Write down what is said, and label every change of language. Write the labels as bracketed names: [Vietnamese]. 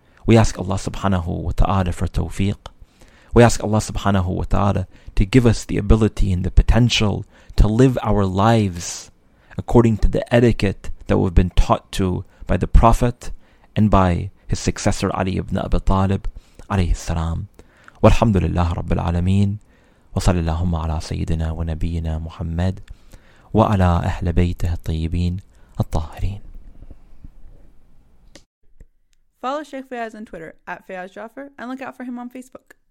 [English] We ask Allah subhanahu wa ta'ala for tawfiq. We ask Allah subhanahu wa ta'ala to give us the ability and the potential to live our lives according to the etiquette that we've been taught to by the Prophet and by his successor Ali ibn Abi Talib alayhi salam. [Arabic] Walhamdulillah rabbil alameen. وصلى اللهم على سيدنا ونبينا محمد وعلى أهل بيته الطيبين الطاهرين. [English] Follow Sheikh Fayaz on Twitter @FayazJaffer and look out for him on Facebook.